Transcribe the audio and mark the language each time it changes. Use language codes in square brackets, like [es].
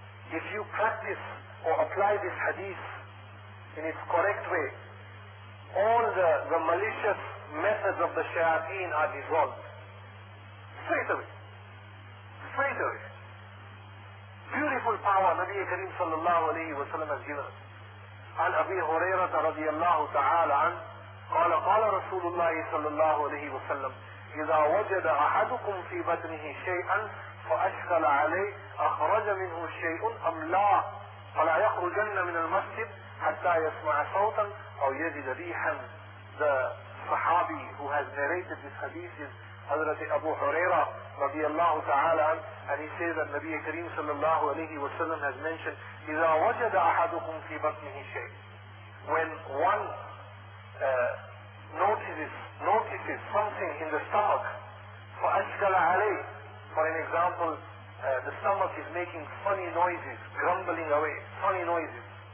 [en] If you practice or apply this hadith in its correct way, all the malicious methods of the shayateen are dissolved. Straight away. Straight away. Beautiful power Nabi Kareem sallallahu alayhi wa sallam has given us. [ar] An Abi Hurairah radiallahu ta'ala an, qala Rasulullah sallallahu alayhi wa sallam, إذا وجد أحدكم في بدنه شيئا فأشكل عليه أخرج منه شيء أم لا فلا يخرجن من المسجد حتى يسمع صوتا أو يجد ريحا. [en] The Sahabi who has narrated this hadith is Hazrat Abu Huraira رضي الله تعالى عنه, and he says that Nabi Kareem صلى الله عليه وسلم has mentioned [ar] إذا وجد أحدكم في بطنه شيء, [en] when one notices something in the stomach, [ar] فأشكل عليه, [en] for an example, the stomach is making funny noises, grumbling away, funny noises.